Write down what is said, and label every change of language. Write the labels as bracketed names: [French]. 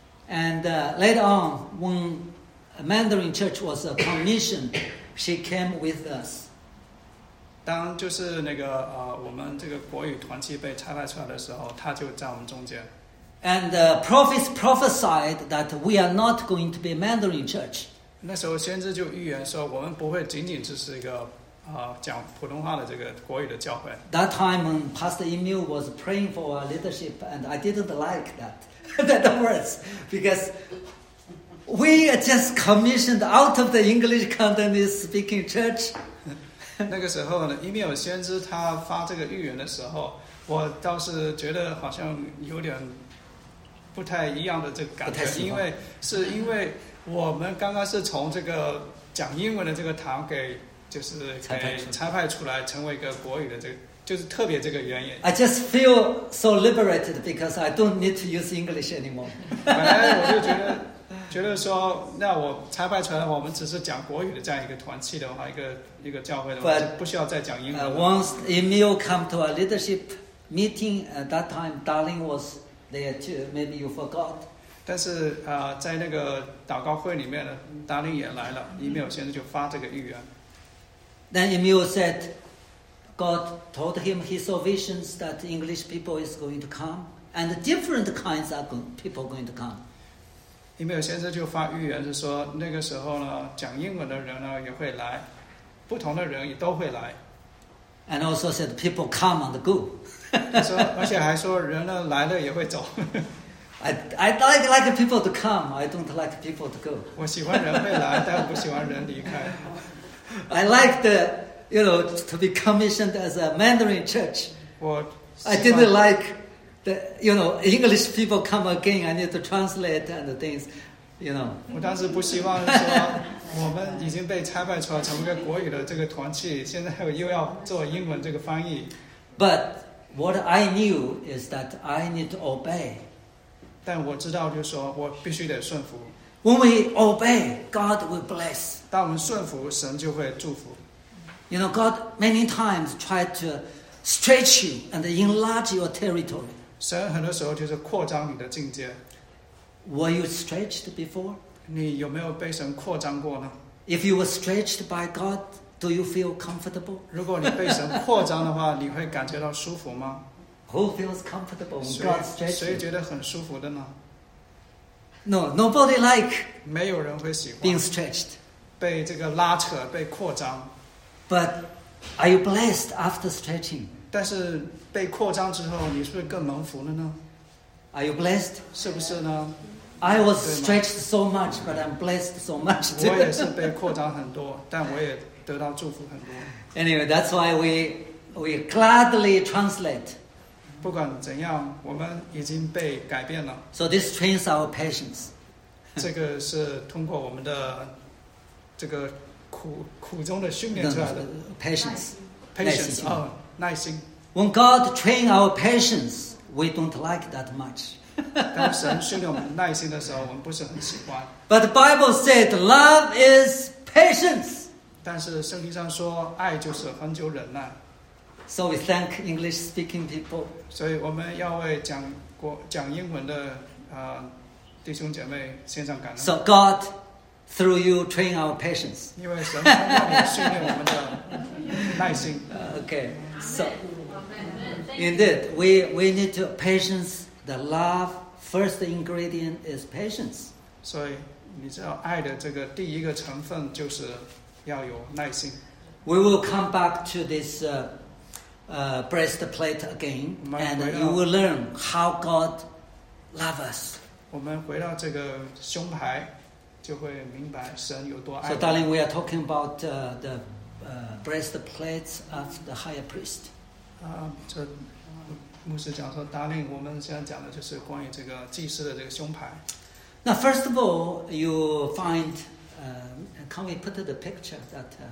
[English] And later on, when Mandarin Church was commissioned, she came with us. [Chinese] 当就是那个我们这个国语团契被拆派出来的时候，她就在我们中间。 [English] And prophets prophesied that we are not going to be Mandarin Church. [Chinese] 那时候先知就预言说，我们不会仅仅只是一个讲普通话的这个国语的教会。 [English] That time Pastor Emil was praying for our leadership, and I didn't like that that words because we just commissioned out of the English Cantonese speaking church. [Chinese] 那个时候呢 ，Emil 先知他发这个预言的时候，我倒是觉得好像有点不太一样的这个感觉，因为是因为。我们刚刚是从这个讲英文的这个堂给就是给差派出来成为一个国语的这个就是特别这个原因。 [English] I just feel so liberated because I don't need to use English anymore. [Chinese] 本来我就觉得说那我差派出来我们只是讲国语的这样一个团契的话一个教会的话就不需要再讲英文。 [English] Once Emil come to a leadership meeting, at that time Darling was there too, maybe you forgot. [Chinese] 但是在那个祷告会里面呢，达令也来了，伊米尔先生就发这个预言。 [English] Then Emil said, God told him he saw visions that English people is going to come, and different kinds of people going to come. [Chinese] 伊米尔先生就发预言是说，那个时候呢，讲英文的人呢也会来，不同的人也都会来。 [English] And also said people come and go. [Chinese] 说，而且还说人呢来了也会走。 [English] I like people to come. I don't like people to go. [Chinese] 我喜欢人会来，但不喜欢人离开。 [English] I like the you know to be commissioned as a Mandarin church. I didn't like the you know English people come again. I need to translate and things, you know. [Chinese] 我当时不希望说我们已经被差派出来成为国语的这个团契，现在又要做英文这个翻译。 [English] But what I knew is that I need to obey. [Chinese] 但我知道，就是说我必须得顺服。 [English] When we obey, God will bless. [Chinese] 当我们顺服，神就会祝福。 [English] You know, God many times tried to stretch you and enlarge your territory. [Chinese] 神很多时候就是扩张你的境界。 [English] Were you stretched before? [Chinese] 你有没有被神扩张过呢 [English] ？If you were stretched by God, do you feel comfortable? [Chinese] 如果你被神扩张的话，你会感觉到舒服吗？ [English] Who feels comfortable when God stretches? [Chinese] 谁觉得很舒服的呢 [English] ？No, nobody like. [Chinese] 没有人会喜欢 [English] being stretched. [Chinese] 被这个拉扯，被扩张。 [English] But are you blessed after stretching? [Chinese] 但是被扩张之后，你是不是更蒙福了呢 [English] ？Are you blessed? [Chinese] 是不是呢 [English] ？I was stretched so much, but I'm blessed so much too. [Chinese] 我也是被扩张很多，但我也得到祝福很多。 [English] Anyway, that's why we gladly translate. [Chinese] 不管怎样，我们已经被改变了。 [English] So this trains our patience. [Chinese] 这个是通过我们的这个苦中的训练出来的 patience 耐心。 [English] When God train our patience, we don't like that much. [Chinese] 当神训练我们耐心的时候，我们不是很喜欢。 [English] But the Bible said love is patience. [Chinese] 但是圣经上说，爱就是恒久忍耐。 [English] So we thank English-speaking people. [Chinese] 所以我们要为讲英文的弟兄姐妹献上感恩。 [English] So God, through you, train our patience. [Chinese] 因为神通过你训练我们的耐心。 [English] Okay. So indeed, we need to patience. The love first ingredient is patience. [Chinese] 所以你知道爱的这个第一个成分就是要有耐心。 [English] We will come back to this. Breastplate again, and you will learn how God loves us. [Chinese] 我们回到这个胸牌，就会明白神有多爱。 [English] So, darling, we are talking about the breastplate of the high priest. [Chinese] 这牧师讲说 ，darling， 我们现在讲的就是关于这个祭司的这个胸牌。 [English] Now, first of all, you find, can we put the picture that?